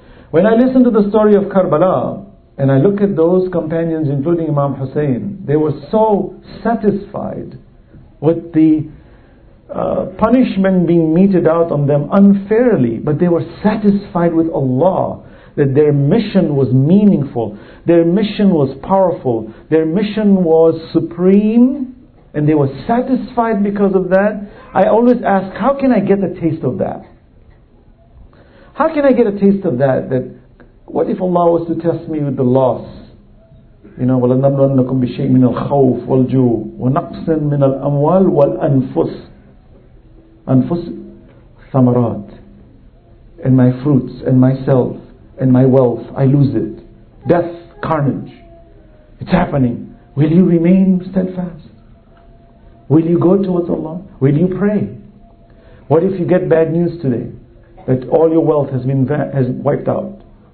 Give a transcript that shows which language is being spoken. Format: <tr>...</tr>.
<en>When I listen to the story of Karbala, and I look at those companions, including Imam Hussein, they were so satisfied with the punishment being meted out on them unfairly, but they were satisfied with Allah, that their mission was meaningful, their mission was powerful, their mission was supreme, and they were satisfied because of that. I always ask, how can I get a taste of that? How can I get a taste of that? That what if Allah was to test me with the loss? You know,</en> <ar>وَلَنَبْلُوَنَّكُمْ بِشَيْءٍ مِنَ الْخَوْفِ وَالْجُوعِ وَنَقْصٍ مِنَ الْأَمْوَالِ وَالْأَنْفُسِ أَنْفُسِ ثَمَرَاتِ.</ar> <en>And my fruits, and myself, and my wealth, I lose it. Death, carnage. It's happening. Will you remain steadfast? Will you go towards Allah? Will you pray? What if you get bad news today that all your wealth has been wiped out?</en>